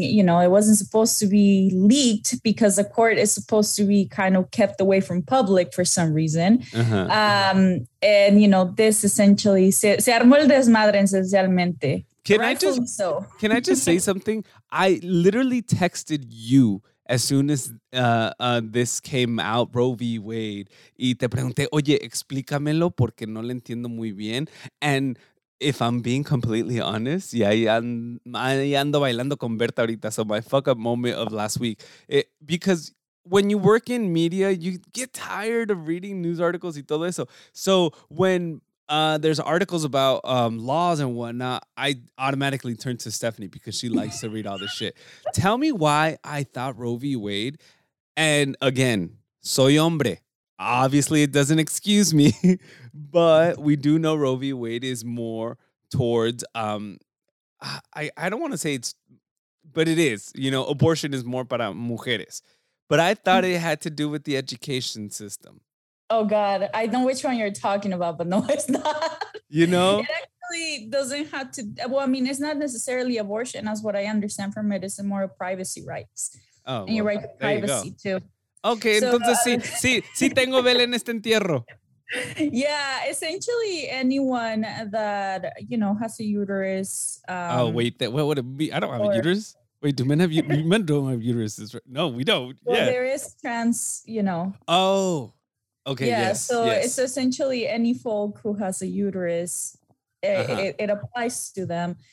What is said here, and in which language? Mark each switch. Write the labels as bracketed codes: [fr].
[en] You know, it wasn't supposed to be leaked because the court is supposed to be kind of kept away from public for some reason. And, you know, this essentially [es] se armó el desmadre esencialmente. [en] Can I just say something? I literally texted you as soon as this came out, Roe v. [es] Wade, y te pregunté, oye, explícamelo porque no lo entiendo muy bien. [en] And if I'm being completely honest, [es] y ando bailando con Berta ahorita, [en] so my fuck up moment of last week. Because when you work in media, you get tired of reading news articles [es] y todo eso. [en] So when there's articles about laws and whatnot, I automatically turn to Stephanie because she likes to read all this shit. Tell me why I thought Roe v. Wade, and again, [es] soy hombre. [en] Obviously, it doesn't excuse me, but we do know Roe v. Wade is more towards, I don't want to say it's, but it is, you know, abortion is more [es] para mujeres. [en] But I thought it had to do with the education system. Oh, God, I know which one you're talking about, but no, it's not. You know? Doesn't have to, well, I mean, it's not necessarily abortion, as what I understand from it, it's more of privacy rights. Oh, and your right to privacy, too. [es] Okay, so, entonces sí tengo vela en este entierro. [en] Yeah, essentially anyone that, you know, has a uterus. Oh, wait, what would it be? I don't have a uterus. Wait, do men have uterus? Men don't have uteruses, right? No, we don't. Well, yeah. There is trans, you know. Oh, okay, yeah, yes. Yeah, so yes. It's essentially any folk who has a uterus, it applies to them.